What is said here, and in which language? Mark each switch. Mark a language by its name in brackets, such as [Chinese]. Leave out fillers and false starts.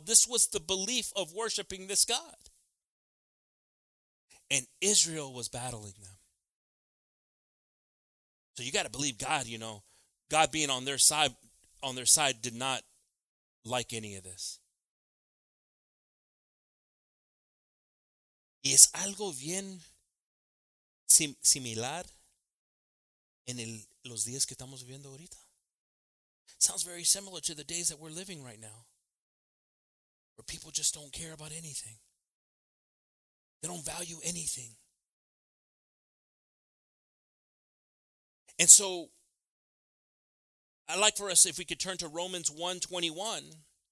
[English] This was the belief of worshiping this God. And Israel was battling them. So you got to believe God, you know. God being on their side did not like any of this. [Spanish] Y es algo bien similar en los días que estamos viviendo ahorita. [English] Sounds very similar to the days that we're living right now, where people just don't care about anything. They don't value anything. And so, I'd like for us, if we could turn to Romans 1:21.